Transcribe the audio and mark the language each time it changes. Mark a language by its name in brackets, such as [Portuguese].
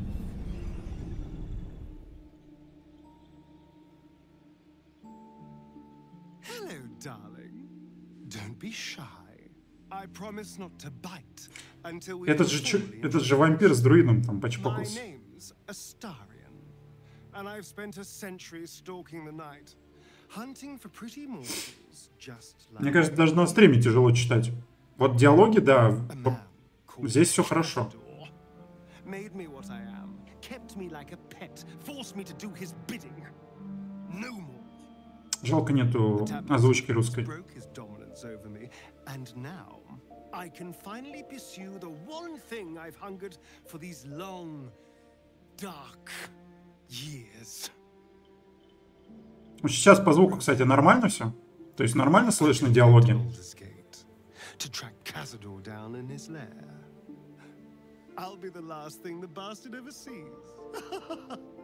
[English] Hello, darling. Don't be shy. I promise not to bite until we... [Russian] Этот же вампир с друидом там почпокался. [English] My name's Astarion, and I've spent a century stalking the night, hunting for pretty mortals just like... [Russian] Мне кажется, даже на стриме тяжело читать. Вот диалоги, да, здесь все хорошо. [English] Made me what I am, kept me like a pet, forced me to do his bidding. No more. [Russian] Жалко нету озвучки русской. [English] Broke his dominance over me, and now I can finally pursue the one thing I've hungered for these long, dark years. [Russian] Сейчас по звуку, кстати, нормально все? То есть нормально слышны диалоги? [English] To track Cazador down in his lair. I'll be the last thing the bastard ever sees.